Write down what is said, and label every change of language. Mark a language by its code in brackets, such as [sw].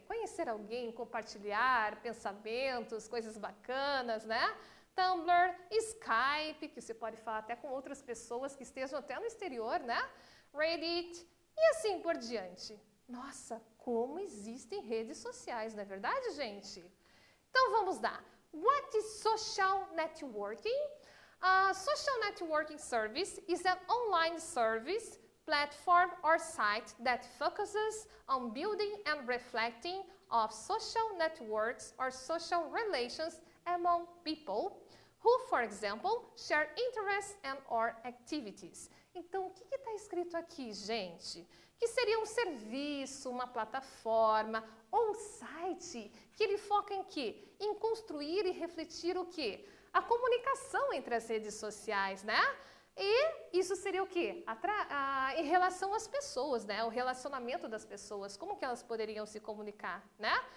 [pt] Conhecer alguém, compartilhar pensamentos, coisas bacanas, né? Tumblr, Skype, que você pode falar até com outras pessoas que estejam até no exterior, né? Reddit e assim por diante. Nossa, como existem redes sociais, não é verdade, gente? Então vamos lá. [en] What is social networking? A social networking service is an online service platform or site that focuses on building and reflecting of social networks or social relations among people who, for example, share interests and or activities. [pt] Então, o que está escrito aqui, gente? Que seria um serviço, uma plataforma ou um site que ele foca em quê? Em construir e refletir o quê? A comunicação entre as redes sociais, né? E isso seria o quê? Em relação às pessoas, né? O relacionamento das pessoas, como que elas poderiam se comunicar, né?